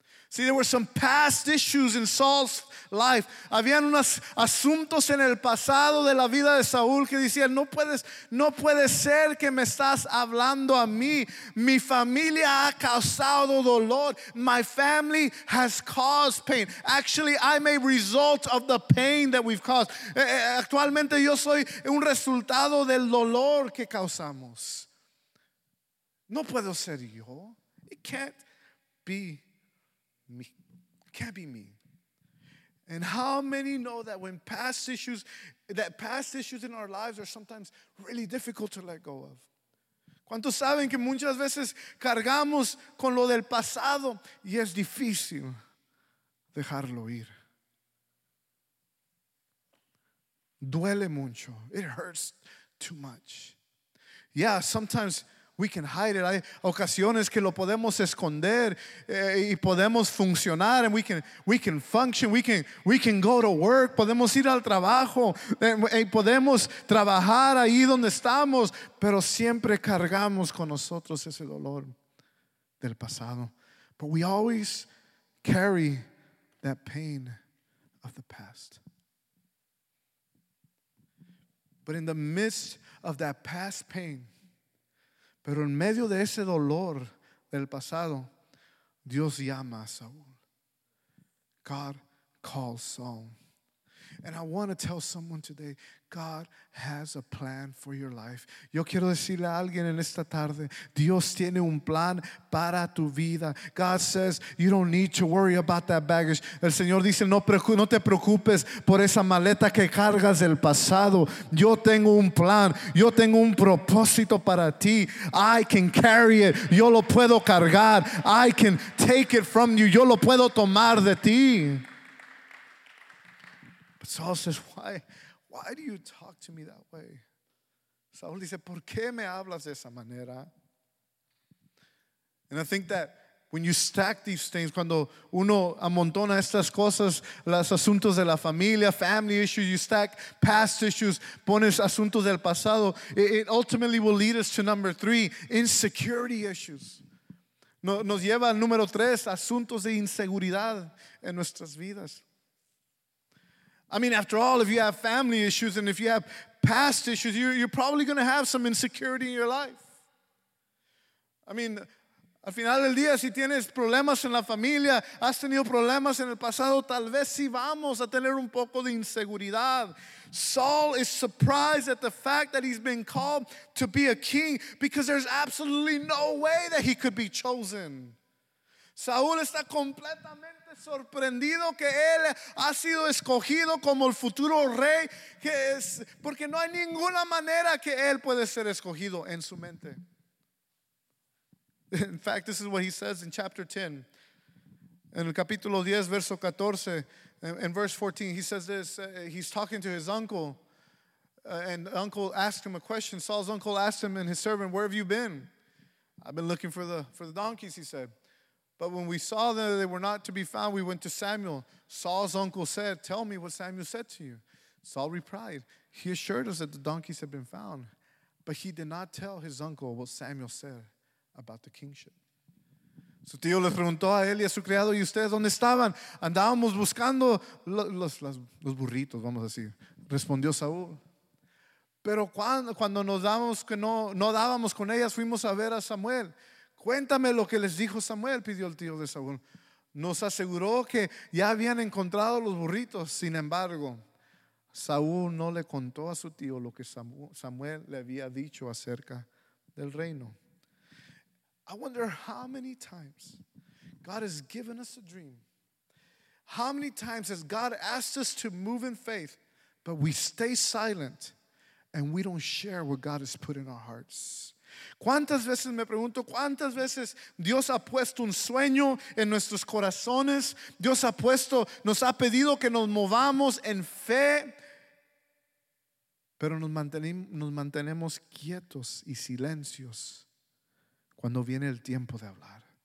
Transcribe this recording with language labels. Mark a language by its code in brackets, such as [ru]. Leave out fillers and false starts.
[en] See, there were some past issues in Saul's life. [es] Habían unos asuntos en el pasado de la vida de Saúl que decían, no puedes ser que me estás hablando a mí. Mi familia ha causado dolor. [en] My family has caused pain. Actually, I'm a result of the pain that we've caused. [es] Actualmente yo soy un resultado del dolor que causamos. No puedo ser yo. [en] It can't be me. Can't be me. And how many know that when past issues in our lives are sometimes really difficult to let go of? [es] ¿Cuántos saben que muchas veces cargamos con lo del pasado y es difícil dejarlo ir? Duele mucho. [en] It hurts too much. Yeah, sometimes we can hide it. [es] Hay ocasiones que lo podemos esconder y podemos funcionar, [en] and we can function. We can go to work. [es] Podemos ir al trabajo y podemos trabajar ahí donde estamos. Pero siempre cargamos con nosotros ese dolor del pasado. [en] But we always carry that pain of the past. But in the midst of that past pain, [es] pero en medio de ese dolor del pasado, Dios llama a Saúl. [en] God calls Saul. And I want to tell someone today, God has a plan for your life. [es] Yo quiero decirle a alguien en esta tarde, Dios tiene un plan para tu vida. [en] God says, you don't need to worry about that baggage. [es] El Señor dice, no te preocupes por esa maleta que cargas del pasado. Yo tengo un plan. Yo tengo un propósito para ti. [en] I can carry it. [es] Yo lo puedo cargar. [en] I can take it from you. [es] Yo lo puedo tomar de ti. [en] Saul says, why do you talk to me that way? [es] Saul dice, ¿por qué me hablas de esa manera? [en] And I think that when you stack these things, [es] cuando uno amontona estas cosas, los asuntos de la familia, [en] family issues, you stack past issues, [es] pones asuntos del pasado, [en] it ultimately will lead us to number 3, insecurity issues. [es] Nos lleva al número 3, asuntos de inseguridad en nuestras vidas. [en] I mean, after all, if you have family issues and if you have past issues, you're probably going to have some insecurity in your life. I mean, [es] al final del día, si tienes problemas en la familia, has tenido problemas en el pasado, tal vez sí vamos a tener un poco de inseguridad. [en] Saul is surprised at the fact that he's been called to be a king because there's absolutely no way that he could be chosen. [es] Saúl está completamente sorprendido que él ha sido escogido como el futuro rey, que es porque no hay ninguna manera que él puede ser escogido en su mente. [en] In fact, this is what he says in chapter 10, [es] En el capítulo 10, verso 14, [en] in verse 14, he says this, he's talking to his uncle, and uncle asked him a question. Saul's uncle asked him and his servant, where have you been? I've been looking for the donkeys, he said. But when we saw that they were not to be found, we went to Samuel. Saul's uncle said, tell me what Samuel said to you. Saul replied, he assured us that the donkeys had been found, but he did not tell his uncle what Samuel said about the kingship. [es] Su tío le preguntó a él y a su criado, ¿y ustedes dónde estaban? Andábamos buscando los burritos, vamos a decir. Respondió Saúl. Pero cuando nos damos que no dábamos con ellas, fuimos a ver a Samuel. Cuéntame lo que les dijo Samuel, pidió el tío de Saúl. Nos aseguró que ya habían encontrado los burritos. Sin embargo, Saúl no le contó a su tío lo que Samuel le había dicho acerca del reino. [en] I wonder how many times God has given us a dream. How many times has God asked us to move in faith, but we stay silent and we don't share what God has put in our hearts. [es] ¿Cuántas veces, me pregunto, cuántas veces Dios ha puesto un sueño en nuestros corazones? Dios ha puesto, nos ha pedido que nos movamos en fe, pero nos mantenemos quietos y silencios cuando viene el tiempo de hablar.